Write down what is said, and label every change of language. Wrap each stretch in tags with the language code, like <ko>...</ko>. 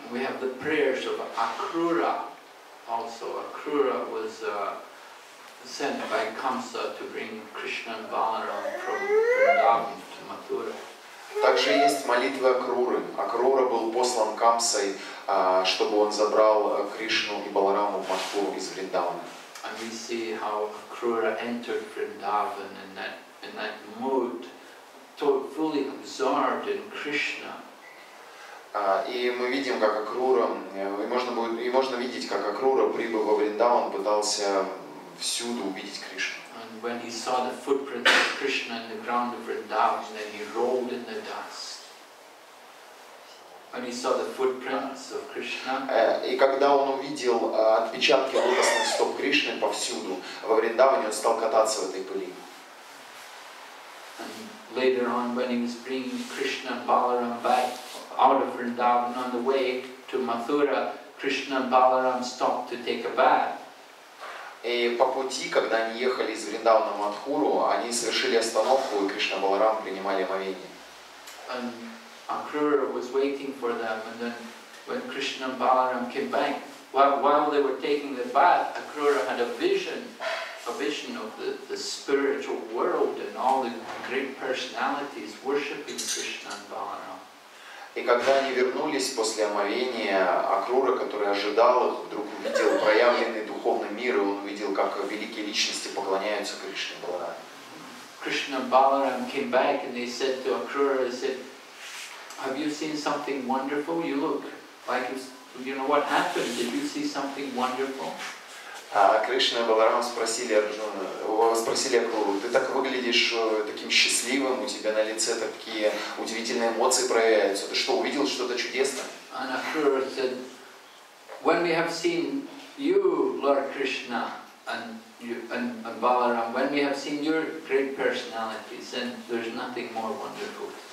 <en>We have the prayers of Akrura. Also, Akrura was sent by Kamsa to bring Krishna and Balaram from Vrindavan to Mathura.</en> <ru>Также есть молитвы Акруры. Акрура был послан Камсой, чтобы он забрал Кришну и Баларама в Матхуру из Вриндавана.</ru> <en>And we see how Akrura entered Vrindavan in that mood, fully absorbed in Krishna.</en> <ru>И мы видим, как Акрура, можно видеть, как Акрура, прибыв во Вриндаван, пытался всюду увидеть Кришну.</ru> <en>When he saw the footprints of Krishna in the ground of Vrindavan, then he rolled in the dust. When he saw the footprints of Krishna,</en> <ru>и когда он увидел отпечатки лотосных стоп Кришны повсюду во Вриндаване, он стал кататься в этой пыли.</ru> <en>And later on, when he was bringing Krishna and Balaram back out of Vrindavan on the way to Mathura, Krishna and Balaram stopped to take a bath.</en> <ru>И по пути, когда они ехали из Вриндавана в Матхуру, они совершили остановку, и Кришна Баларам принимали омовение.</ru> <en>And Akrura was waiting for them, and then when Krishna and Balaram came back, while they were taking the bath, Akrura had a vision of the spiritual world and all the great personalities worshiping Krishna and Balaram.</en> <ru>И когда они вернулись после омовения, Акрура, который ожидал их, вдруг увидел проявленный духовный мир, и он увидел, как великие личности поклоняются Кришне Баларам.</ru> <en>Krishna Balaram came back and they said to Akrura, they said, have you seen something wonderful? You look like, you know, what happened? Did you see something wonderful?</en> <ru>Кришна Баларам спросили Арджуна, спросили Акруру: ты так выглядишь таким счастливым, у тебя на лице такие удивительные эмоции проявляются, ты что, увидел что-то чудесное?</ru> <en>And Akrura said, when we have seen you, Lord Krishna, and Balaram, when we have seen your great personalities, then there's nothing more wonderful.</en>